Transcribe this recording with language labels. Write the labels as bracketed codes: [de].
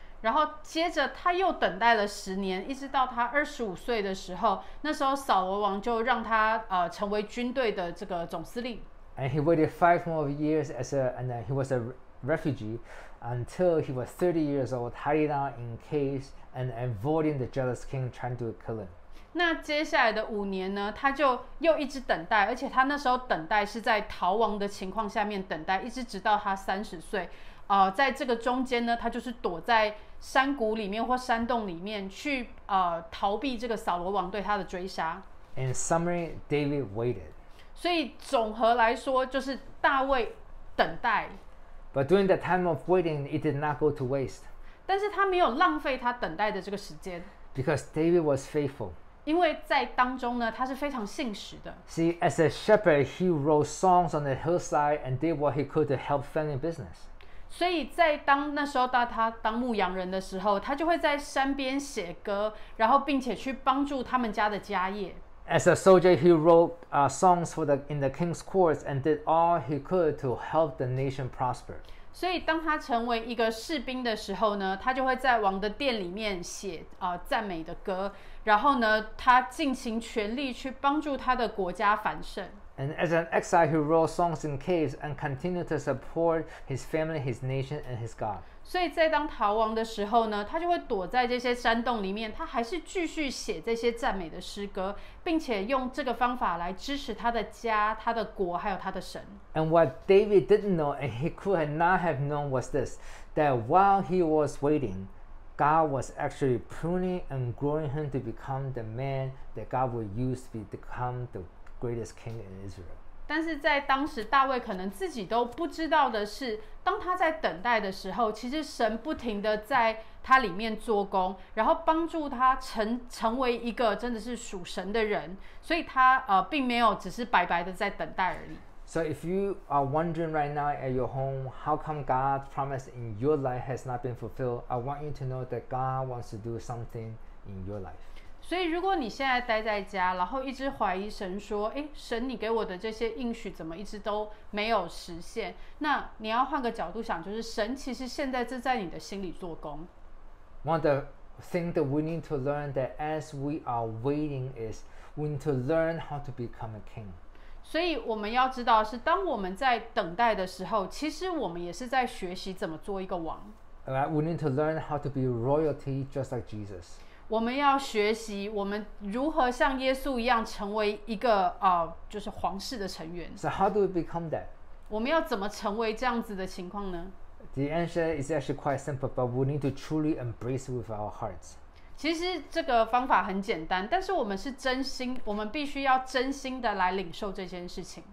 [zh] 然后接着他又等待了十年，一直到他25岁的时候，那时候扫罗王就让他成为军队的这个总司令。 [en] And he waited 5 more years as a, and then he was a refugee until he was 30 years old, hiding out in caves and avoiding the jealous king trying to kill him. [zh] 那接下来的五年呢，他就又一直等待，而且他那时候等待是在逃亡的情况下面等待，一直直到他30岁。在这个中间呢，他就是躲在山谷里面或山洞里面去逃避这个扫罗王对他的追杀。 [en] In summary, David waited. [zh] 所以总和来说就是大卫等待。 [en] But during the time of waiting, it did not go to waste. [zh] 但是他没有浪费他等待的这个时间。 [en] Because David was faithful. [zh] 因为在当中呢，他是非常信实的。 [en] See, as a shepherd, he wrote songs on the hillside and did what he could to help family business. [zh] 所以在当那时候到他当牧羊人的时候，他就会在山边写歌，然后并且去帮助他们家的家业。 [en] As a soldier, he wrote songs for the in the king's courts and did all he could to help the nation prosper. [zh] 所以当他成为一个士兵的时候呢，他就会在王的殿里面写赞美的歌，然后呢，他尽情全力去帮助他的国家繁盛。 [en] And as an exile, he wrote songs in caves and continued to support his family, his nation, and his God. [zh] 所以在当逃亡的时候呢，他就会躲在这些山洞里面，他还是继续写这些赞美的诗歌，并且用这个方法来支持他的家、他的国，还有他的神。 [en] And what David didn't know, and he could not have known, was this, that while he was waiting, God was actually pruning and growing him to become the man that God would use to become the greatest king in Israel. [zh] 但是在当时大卫可能自己都不知道的是，当他在等待的时候，其实神不停的在他里面做工，然后帮助他 成为一个真的是属神的人，所以他并没有只是白白的在等待而已。 [en] So if you are wondering right now at your home, how come God's promise in your life has not been fulfilled, I want you to know that God wants to do something in your life. [zh] 所以如果你现在待在家，然后一直怀疑神说，诶，神你给我的这些应许怎么一直都没有实现，那你要换个角度想，就是神其实现在正在你的心里做工。 [en] One of the things that we need to learn that as we are waiting is we need to learn how to become a king. [zh] 所以我们要知道是当我们在等待的时候，其实我们也是在学习怎么做一个王。 [en] We need to learn how to be royalty just like Jesus. [zh] 我们要学习我们如何像耶稣一样成为一个就是皇室的成员。 [en] So how do we become that? [zh] 我们要怎么成为这样子的情况呢？ [en] The answer is actually quite simple, but we need to truly embrace with our hearts. [zh] 其实这个方法很简单，但是我们是真心，我们必须要真心的来领受这件事情。